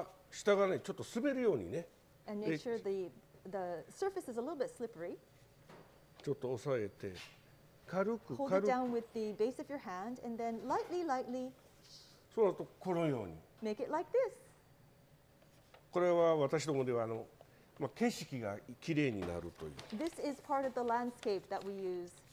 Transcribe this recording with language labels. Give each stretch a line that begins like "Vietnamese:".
Japanese: 下がね、ちょっと滑るようにね。
English: And make sure the surface is a little bit slippery.
Japanese: ちょっと押さえて軽く
English: Hold it down with the base of your hand and then lightly
Japanese: そうだとこのように
English: Make it like this
Japanese: これは私どもでは景色がきれいになるという
English: This is part of the landscape that we use